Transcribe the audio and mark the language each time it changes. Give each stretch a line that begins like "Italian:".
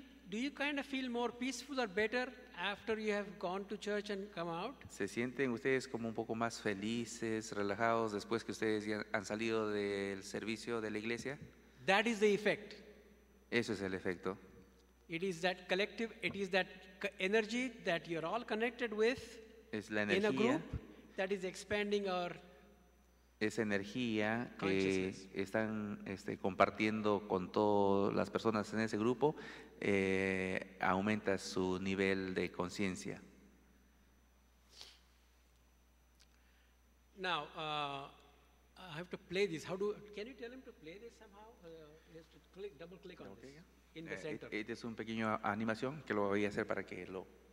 English: Do you kind of feel more peaceful or better after you have gone to church and come out?
Spanish: ¿Se sienten ustedes como un poco más felices, relajados después que ustedes ya han salido del servicio de la iglesia?
English: That is the effect.
Spanish: Eso es el efecto.
English: It is that energy that you're all connected with.
Spanish: Es la energía.
English: In a group that is expanding our.
Spanish: Esa energía que están compartiendo con todas las personas en ese grupo aumenta su nivel de conciencia.
English: Now, I have to play this. Can you tell him to play this somehow? Just double click on this. In the center.
Spanish: Este es un pequeño animación que lo voy a hacer para que lo.